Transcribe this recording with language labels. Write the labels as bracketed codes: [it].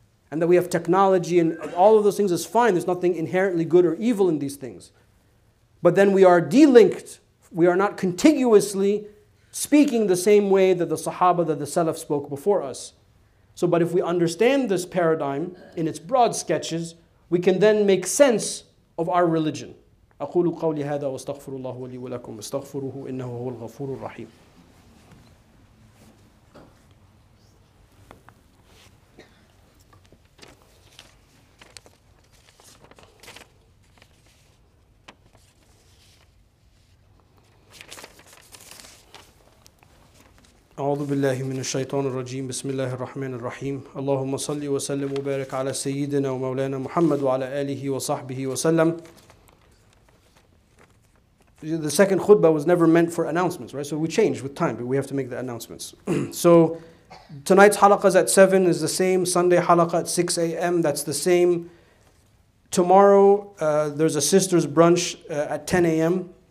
[en] And that we have technology and all of those things is fine. There's nothing inherently good or evil in these things. But then we are delinked. We are not contiguously speaking the same way that the Sahaba, that the Salaf spoke before us. So, but if we understand this paradigm in its broad sketches, we can then make sense of our religion. [ar] أقول قولي هذا واستغفر الله لي ولكم استغفروه إنه هو الغفور الرحيم. أعوذ بالله من الشيطان الرجيم بسم الله الرحمن الرحيم اللهم صل وسلم وبارك على سيدنا ومولانا محمد وعلى آله وصحبه وسلم. [en] The second khutbah was never meant for announcements, right? So we changed with time, but we have to make the announcements. So tonight's halaqah is at 7, is the same Sunday halaqah at 6 a.m. That's the same. Tomorrow, there's a sister's brunch at 10 a.m.